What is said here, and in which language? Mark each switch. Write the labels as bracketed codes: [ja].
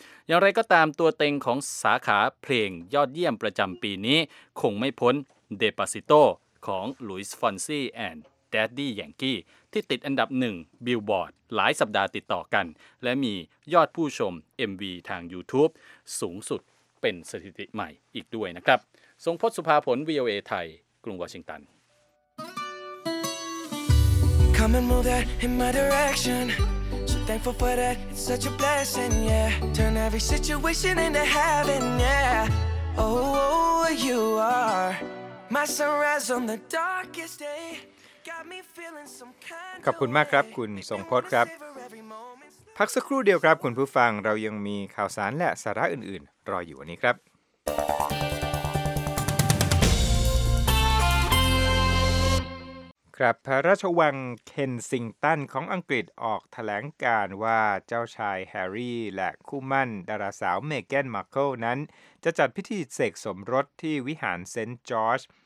[th] อย่างไรก็ตามตัวเต็งของสาขาเพลงยอดเยี่ยมประจำปีนี้คงไม่พ้น Despacito ของ Luis Fonsi and Daddy Yankee ที่ติดอันดับ1 Billboard หลายสัปดาห์ติดต่อกันและมียอดผู้ชม MV ทาง YouTube สูงสุดเป็นสถิติใหม่อีกด้วยนะครับทรงพจน์สุภาผล VOA ไทยกรุงวอชิงตัน [en] Come and move that in my direction. So thankful for that. It's such a blessing, yeah. Turn every situation into heaven, yeah. Oh, you are my sunrise on the darkest day. Got me feeling some kind of way. [th] ขอบคุณมากครับคุณทรงพจน์ครับพักสักครู่เดียวครับคุณผู้ฟังเรายังมีข่าวสารและสาระอื่นๆรออยู่วันนี้ครับครับพระราชวังเคนซิงตันของอังกฤษออกแถลงการว่าเจ้าชายแฮร์รี่และคู่มั่นดาราสาวเมแกนมาร์เคิลนั้นจะจัดพิธีเสกสมรสที่วิหารเซนต์จอร์จ